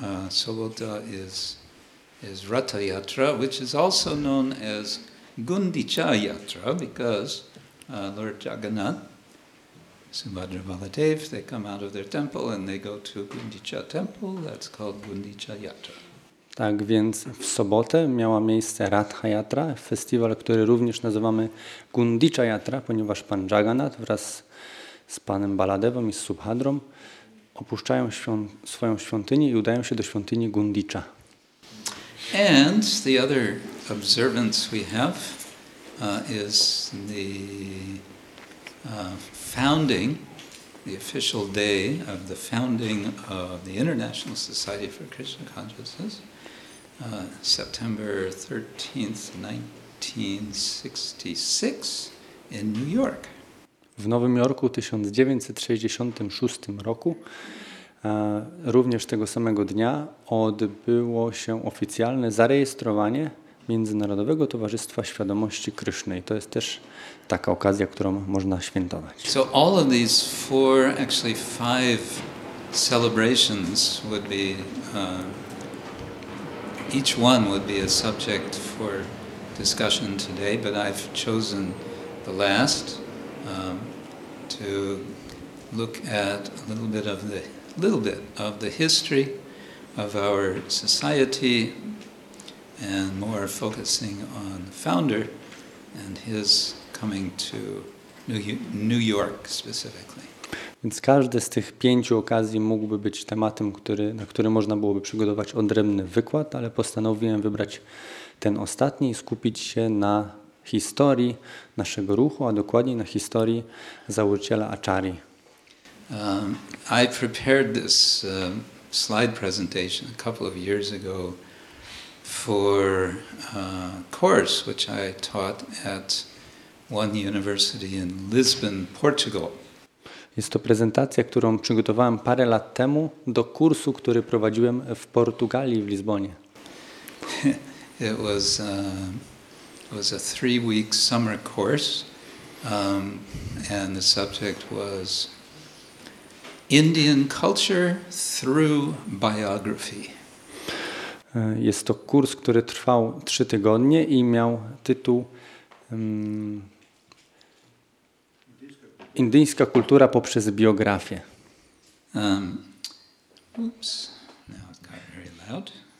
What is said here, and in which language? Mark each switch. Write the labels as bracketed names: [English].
[English] Sobota is Ratha Yatra, which is also known as Gundicha Yatra, because Lord Jagannath, Subhadra Baladev, they come out of their temple and they go to Gundicha temple, that's called Gundicha Yatra. [Polish] Tak więc w sobotę miała miejsce Ratha Yatra, festiwal, który również nazywamy Gundicha Yatra, ponieważ pan Jagannath wraz z panem Baladevem i Subhadrą opuszczają swoją świątynię i udają się do świątyni Gundicha. [English] And the other observance we have is the founding, the official day of the founding of the International Society for Krishna Consciousness, September 13th, 1966, in New York. [Polish] W Nowym Jorku 1966 roku, również tego samego dnia, odbyło się oficjalne zarejestrowanie Międzynarodowego Towarzystwa Świadomości Kryszny. I to jest też taka okazja, którą można świętować. [English] So all of these four, actually five celebrations would be, each one would be a subject for discussion today, but I've chosen the last to look at a little bit of the history of our society, and more focusing on the founder and his coming to New York specifically. [Polish] Więc każde z tych pięciu okazji mógłby być tematem, na który można byłoby przygotować odrębny wykład, ale postanowiłem wybrać ten ostatni i skupić się na historii naszego ruchu, a dokładniej na historii założyciela Achari. [English] I prepared this slide presentation a couple of years ago for a course which I taught at one university in Lisbon, Portugal. [Polish] Jest to prezentacja, którą przygotowałem parę lat temu do kursu, który prowadziłem w Portugalii, w Lizbonie. [English] It was a 3-week summer course, and the subject was Indian culture through biography. [Polish] Jest to kurs, który trwał 3 tygodnie i miał tytuł Indyjska kultura poprzez biografię. [English] Oops, now it got very loud.